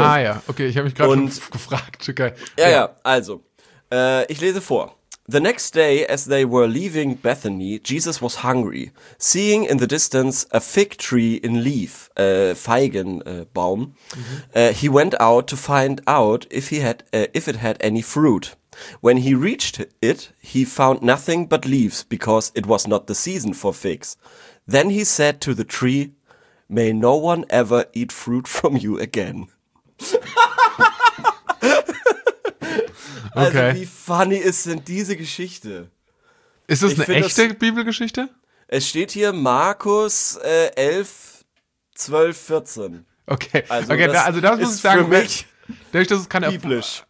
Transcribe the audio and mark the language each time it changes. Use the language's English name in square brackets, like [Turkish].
[German] Ah ja, okay, ich habe mich gerade schon gefragt. Okay. Ja, also, ich lese vor. [English] The next day, as they were leaving Bethany, Jesus was hungry, seeing in the distance a fig tree in leaf, Feigenbaum, he went out to find out if it had any fruit. When he reached it, he found nothing but leaves, because it was not the season for figs. Then he said to the tree, may no one ever eat fruit from you again. [German] Also, okay. Wie funny ist denn diese Geschichte? Ist das eine echte Bibelgeschichte? Es steht hier Markus 11, 12, 14. Okay, das muss ich sagen, für mich dadurch, dass es keine biblisch.